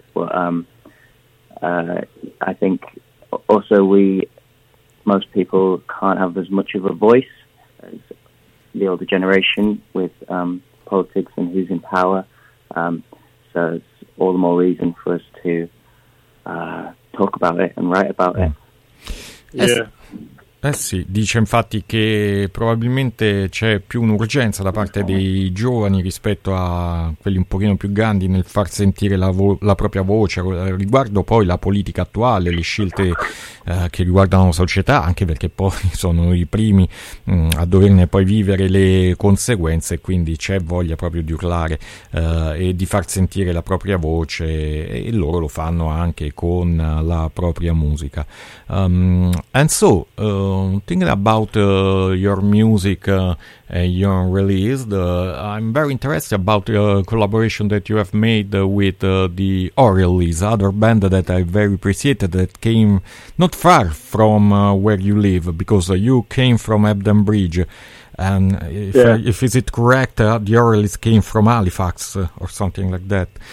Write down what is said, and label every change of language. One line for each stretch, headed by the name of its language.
English: But I think also most people can't have as much of a voice as the older generation with politics and who's in power. So it's all the more reason for us to talk about it and write about it. Yeah.
Italian: Eh sì, dice infatti che probabilmente c'è più un'urgenza da parte dei giovani rispetto a quelli un pochino più grandi nel far sentire la propria voce riguardo poi la politica attuale, le scelte che riguardano la società, anche perché poi sono i primi a doverne poi vivere le conseguenze, quindi c'è voglia proprio di urlare e di far sentire la propria voce, e loro lo fanno anche con la propria musica.
English: Thinking about your music and your released, I'm very interested about the collaboration that you have made with the Orioles, other band that I very appreciated that came not far from where you live, because you came from Ebden Bridge, and if it's correct, the Orioles came from Halifax or something like that.